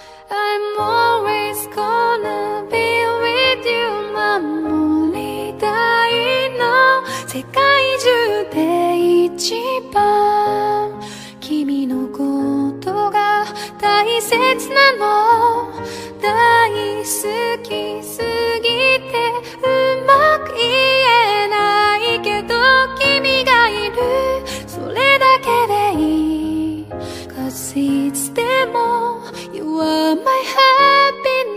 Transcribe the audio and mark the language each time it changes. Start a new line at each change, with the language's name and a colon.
English: I'm always gonna be with you。
Japanese: 守りたいの世界中で一番。君のこと大切なの。大好きすぎてうまく言えないけど君がいるそれだけでいい。
English: Cause it's demo You are my happiness。